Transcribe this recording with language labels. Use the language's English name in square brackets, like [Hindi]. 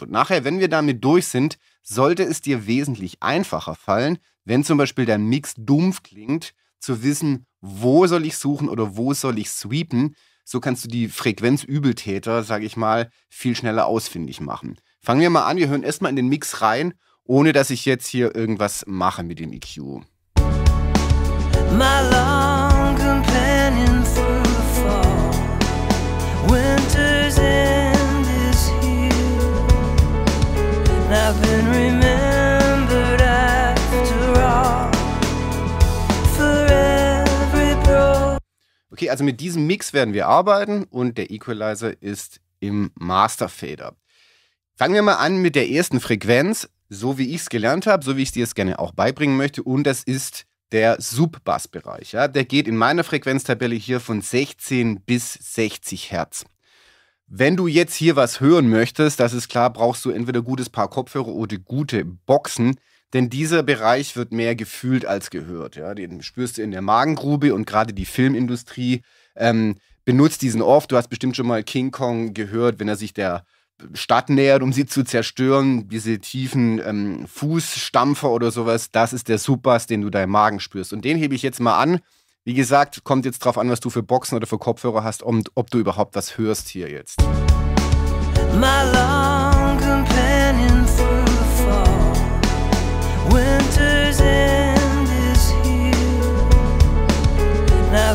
[German] Und nachher, wenn wir damit durch sind, sollte es dir wesentlich einfacher fallen, wenn zum Beispiel dein Mix dumpf klingt, zu wissen, wo soll ich suchen oder wo soll ich sweepen. So kannst du die Frequenzübeltäter, sage ich mal, viel schneller ausfindig machen. Fangen wir mal an, wir hören erstmal in den Mix rein, ohne dass ich jetzt hier irgendwas mache mit dem EQ. [English] My long companion through the fall, winter's end is here. I've been remembered after all, for every bro. [German] Okay, also mit diesem Mix werden wir arbeiten und der Equalizer ist im Master Fader. Fangen wir mal an mit der ersten Frequenz, so wie ich es gelernt habe, so wie ich es dir jetzt gerne auch beibringen möchte und das ist der Sub-Bass-Bereich, ja, der geht in meiner Frequenztabelle hier von 16 bis 60 Hertz. Wenn du jetzt hier was hören möchtest, das ist klar, brauchst du entweder gutes Paar Kopfhörer oder gute Boxen, denn dieser Bereich wird mehr gefühlt als gehört. Ja. Den spürst du in der Magengrube und gerade die Filmindustrie benutzt diesen oft. Du hast bestimmt schon mal King Kong gehört, wenn er sich der Stadt nähert, um sie zu zerstören, diese tiefen Fußstampfer oder sowas, das ist der Sub-Bass, den du deinem Magen spürst. Und den hebe ich jetzt mal an. Wie gesagt, kommt jetzt drauf an, was du für Boxen oder für Kopfhörer hast und ob du überhaupt was hörst hier jetzt. [English] My long companion through the fall, winter's end is here. I've been